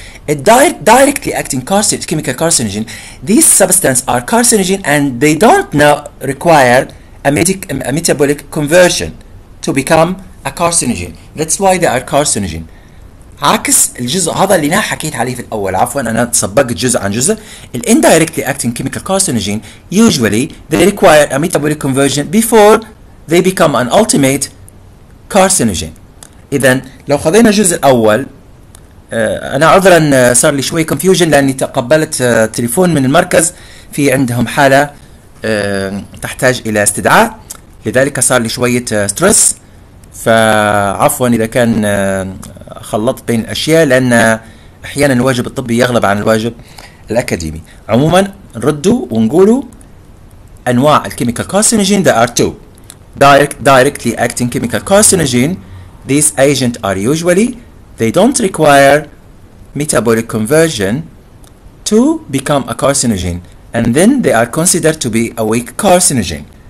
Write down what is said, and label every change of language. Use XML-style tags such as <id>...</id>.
<en>الدايركتلي acting chemical carcinogen, these substances are carcinogen and they don't now require a metabolic conversion to become a carcinogen. That's why they are carcinogen.</en> <ar>عكس الجزء هذا اللي انا حكيت عليه في الاول، عفوا انا تسبقت جزء عن جزء.</ar> <en>ال indirectly acting chemical carcinogen usually they require a metabolic conversion before they become an ultimate carcinogen.</en> <ar>اذا لو خذينا الجزء الاول، انا عذرا صار لي شوي confusion لاني تقبلت تليفون من المركز في عندهم حاله تحتاج الى استدعاء، لذلك صار لي شويه ستريس، فعفوا اذا كان خلطت بين الأشياء، لأن أحيانا الواجب الطبي يغلب عن الواجب الأكاديمي. عموما نردوا ونقولوا أنواع الكيميكال كارسينوجين</ar> <en>there are two. Directly acting chemical carcinogen, these agents are usually they don't require metabolic conversion to become a carcinogen and then they are considered to be a weak carcinogen.</en>